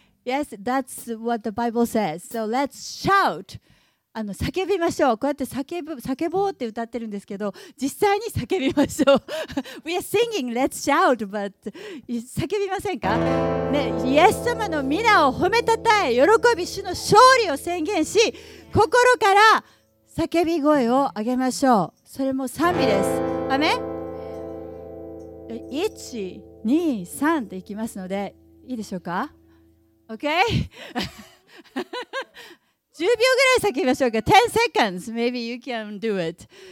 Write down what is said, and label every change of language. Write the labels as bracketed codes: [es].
[en] Yes, that's what the Bible says. So let's shout. [ja] 叫びましょう。こうやって叫ぼうって歌ってるんですけど、実際に叫びましょう。 [en] We are singing, let's shout, but [ja] 叫びませんか、ね、イエス様の皆を褒めたたえ、喜び、主の勝利を宣言し、心から叫び声を上げましょう。それも賛美です。アメン。1、2、3でいきますので、いいでしょうか ?OK? 10秒ぐらい叫びましょうか。 [en] 10 seconds, maybe you can do it.